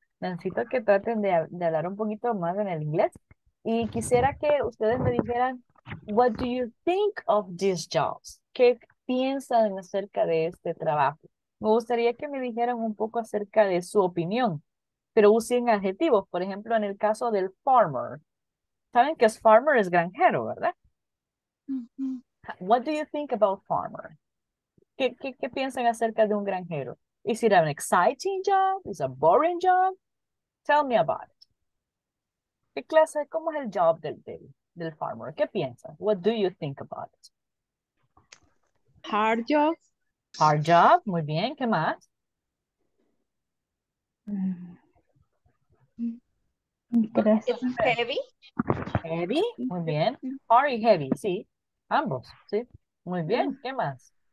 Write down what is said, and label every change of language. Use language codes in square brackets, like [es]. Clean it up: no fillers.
[es] Necesito que traten de hablar un poquito más en el inglés y quisiera que ustedes me dijeran, [en] What do you think of these jobs? [es] ¿Qué piensan acerca de este trabajo? Me gustaría que me dijeran un poco acerca de su opinión, pero usen adjetivos. Por ejemplo, en el caso del farmer. ¿Saben que es farmer? Es granjero, ¿verdad? [en] What do you think about farmer? [es] ¿Qué piensan acerca de un granjero? [en] Is it an exciting job? Is it a boring job? Tell me about it. [es] ¿Qué clase? ¿Cómo es el job del farmer? ¿Qué piensan? [en] What do you think about it? Hard job. Hard job, [es] muy bien. ¿Qué más? Interesante. Heavy. Heavy, muy bien. Hard y heavy, sí. Ambos, sí. Muy bien. ¿Qué más?